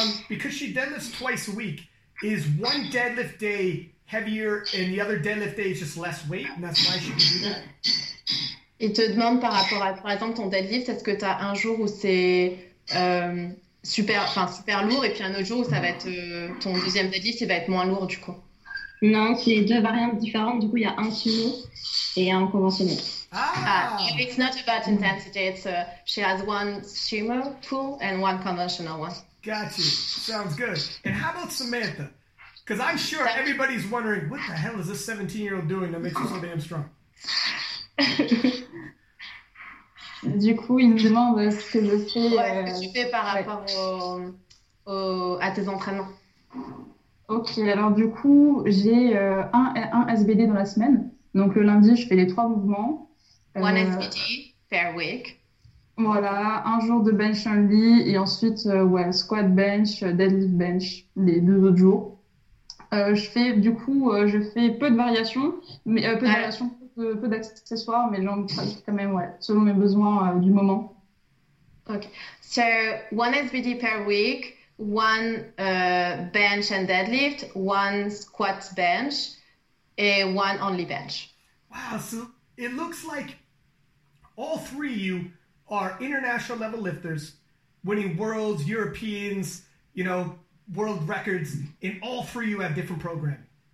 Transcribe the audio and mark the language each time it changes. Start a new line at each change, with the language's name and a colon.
English: Because she deadlifts twice a week, is one deadlift day heavier and the other deadlift day is just less weight, and that's why she could do that?
French: Il te demande par rapport à, par exemple, ton deadlift, est-ce que tu as un jour où c'est super lourd et puis un autre jour où ça va être ton deuxième deadlift, il va être moins lourd du coup. Non, c'est deux variantes différentes. Du coup, il y a un sumo et un conventionnel.
English: Ah, it's not about intensity. She has one sumo pool and one conventional one. Got you. Sounds good. And how about Samantha? Because I'm sure everybody's wondering, what the hell is this 17-year-old doing that makes her so damn strong?
French: Du coup, il me demande ce que je Ouais, fais. ce que tu fais par rapport à tes entraînements. Ok, alors du coup, j'ai un SBD dans la semaine. Donc le lundi, je fais les trois mouvements.
English: One SPD per week.
French: Voilà, un jour de bench only et ensuite, ouais, squat bench, deadlift bench, les 2 autres jours. Je fais peu de variations, mais peu de variations. Peu d'accessoires, mais j'en pratique quand même, ouais, selon mes besoins, du moment.
English: Okay. So one SBD per week, one bench and deadlift, one squat bench, and one only bench. Wow, so it looks like all three of you are international level lifters, winning worlds, Europeans, world records, and all three of you have different programming.